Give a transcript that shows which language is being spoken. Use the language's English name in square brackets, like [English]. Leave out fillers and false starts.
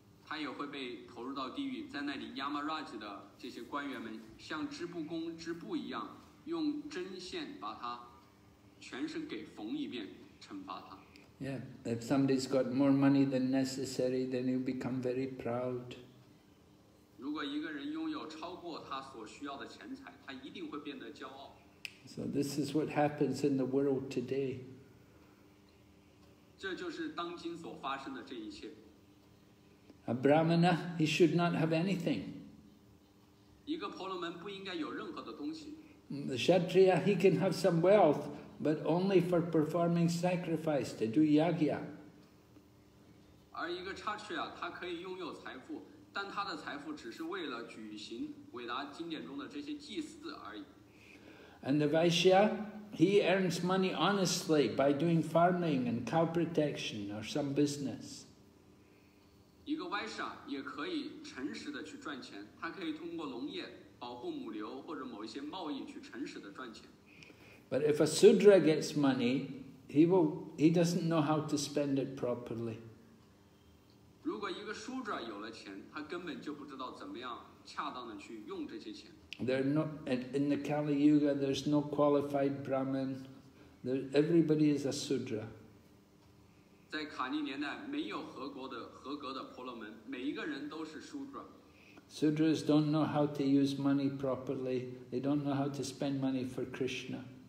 [Chinese] 他也会被投入到地狱，在那里 Yamaraj 的这些官员们像织布工织布一样用针线把他全身给缝一遍，惩罚他。 [English] Yeah, if somebody's got more money than necessary, then he'll become very proud. [Chinese] 如果一个人拥有超过他所需要的钱财，他一定会变得骄傲。 [English] So this is what happens in the world today. [Chinese] 这就是当今所发生的这一切。 [English] A Brahmana, he should not have anything. [Chinese] 一个婆罗门不应该有任何的东西。 [English] The Kshatriya, he can have some wealth, but only for performing sacrifice to do yagya. [Chinese] 而一个 Kshatriya, 他可以拥有财富，但他的财富只是为了举行伟达经典中的这些祭祀而已。 [English] And the Vaishya, he earns money honestly by doing farming and cow protection or some business. [Chinese] 一个 Vaishya 也可以诚实的去赚钱，他可以通过农业保护母牛或者某一些贸易去诚实的赚钱。 [English] But if a Sudra gets money, he doesn't know how to spend it properly. [Chinese] 如果一个 Sudra 有了钱，他根本就不知道怎么样恰当的去用这些钱。 [English] In the Kali Yuga, there's no qualified Brahmin. Everybody is a Sudra. [Chinese] 在卡尼年代，没有合格的婆罗门，每一个人都是 Sudra。 [English] Sudras don't know how to use money properly. They don't know how to spend money for Krishna.